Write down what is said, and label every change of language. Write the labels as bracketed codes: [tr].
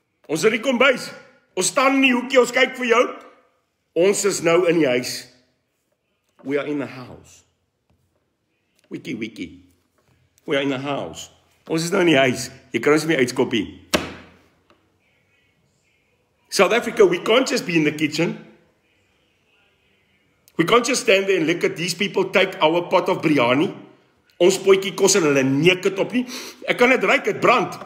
[af] Ons is in die kombuis. Ons staan in die hoekie, ons kyk vir jou. Ons is nou in die huis. [en] We are in the house. [af] Wiki wiki. [en] We are in the house. [af] Ons is nou in die huis. Jy kan ons nie uitskop nie. [en] South Africa, we can't just be in the kitchen. We can't just stand there and look at these people take our pot of biryani. [af] Ons potjie kos en hulle neuk dit op nie. Ek kan dit ruik, dit brand.